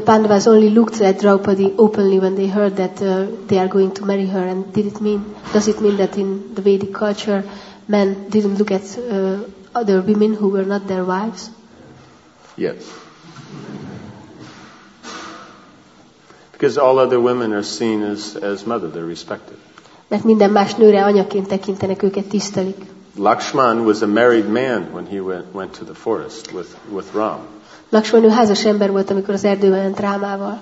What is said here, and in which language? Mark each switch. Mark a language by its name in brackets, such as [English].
[English] the Pandavas only looked at Draupadi openly when they heard that they are going to marry her, and does it mean that in the Vedic culture men didn't look at other women who were not their wives? Yes. Because all other women are seen as mother, they're respected. [Hungarian] Mert minden más nőre anyaként tekintenek, őket tisztelik. [English] Lakshman was a married man when he went to the forest with Ram. [Hungarian] Lakshman, ő házas ember volt, amikor az erdőbe ment Rámával.